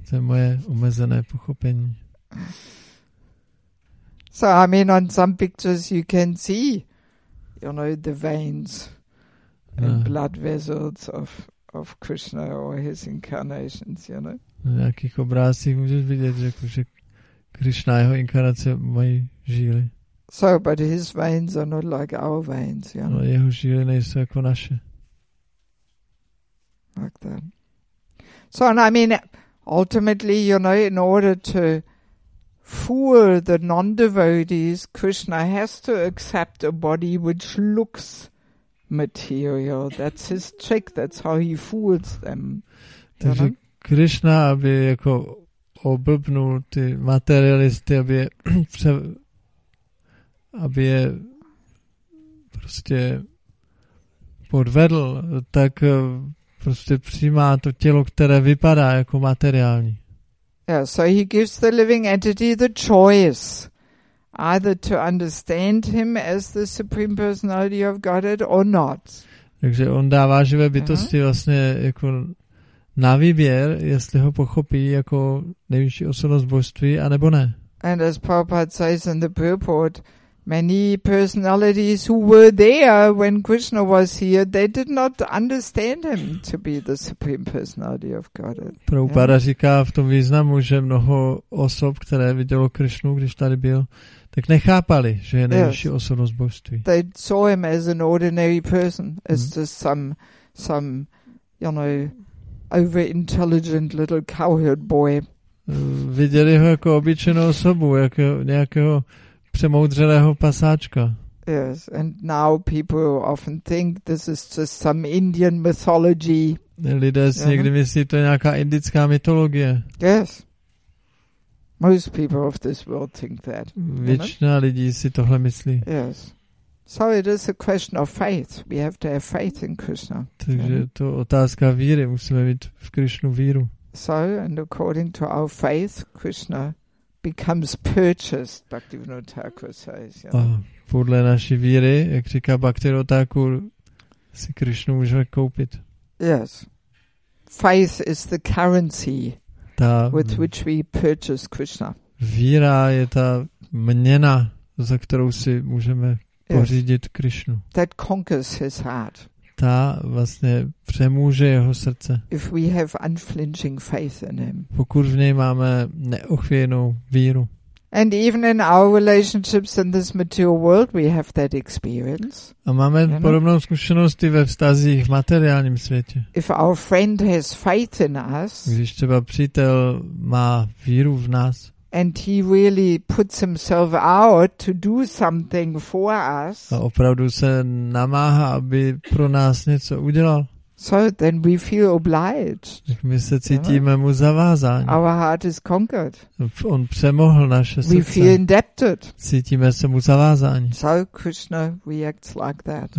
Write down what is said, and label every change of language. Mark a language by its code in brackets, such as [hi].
[cs] To je moje omezené pochopení. [en] So, I mean, on some pictures you can see, you know, the veins and blood vessels of Krishna or his incarnations, you know. [cs] Na nějakých obrázcích můžeš vidět, že Krishna a jeho inkarnace mají žíly. [en] So, but his veins are not like our veins, you know. [cs] No, jeho žíly nejsou jako naše. [en] Like that. So, and I mean, ultimately, you know, in order to fool the non-devotees, Krishna has to accept a body which looks material. That's his trick. That's how he fools them. [cs] Takže Krishna, aby jako oblbnul ty materialisty, aby je prostě podvedl, tak prostě přijímá to tělo, které vypadá jako materiální. [en] Yeah, so he gives the living entity the choice either to understand him as the Supreme Personality of Godhead or not. [cs] Takže on dává živé bytosti vlastně jako na výběr, jestli ho pochopí jako nejvyšší osobnost božství a nebo ne. [en] And as Prabhupada says in the purport, many personalities who were there when Krishna was here, they did not understand him to be the Supreme Personality of Godhead. [cs] Prabhupada říká v tom významu, že mnoho osob, které vidělo Krishnu, když tady byl, tak nechápali, že je nejvyšší osobnost božství. [en] They saw him as an ordinary person, as just some, you know, over-intelligent little cowherd boy. [cs] Viděli ho jako obyčejnou osobu, jako nějakého přemoudřelého pasáčka. [en] Yes, and now people often think this is just some Indian mythology. [cs] Lidé si někdy myslí, to je nějaká indická mytologie. [en] Yes. Most people of this world think that. [cs] Většina lidí si tohle myslí. [en] Yes. So it is a question of faith. We have to have faith in Krishna. [cs] Takže to otázka víry. Musíme mít v Krishnu víru. [en] So, and according to our faith, Krishna becomes purchased, Bhaktivinoda Thakura says. You know. [cs] Podle naší víry, jak říká Bhaktivinoda Thakura, si Krishnu můžeme koupit. [en] Yes. Faith is the currency with which we purchase Krishna. [cs] Víra je ta měna, za kterou si můžeme pořídit Krishnu. [en] That conquers his heart. [cs] Ta vlastně přemůže jeho srdce. [en] If we have unflinching faith in him. [cs] Pokud v něj máme neochvějnou víru. [en] And even in our relationships in this material world, we have that experience. [cs] A máme podobnou zkušenost i ve vztazích v materiálním světě. [en] If our friend has faith in us, [cs] když třeba přítel má víru v nás, [en] and he really puts himself out to do something for us, [cs] a opravdu se namáhá, aby pro nás něco udělal, [en] so then we feel obliged. [cs] My se cítíme mu zavázáni. [en] Our heart is conquered. [cs] On přemohl naše srdce. [en] We feel indebted. [cs] Cítíme se mu zavázáni. [en] So Krishna reacts like that.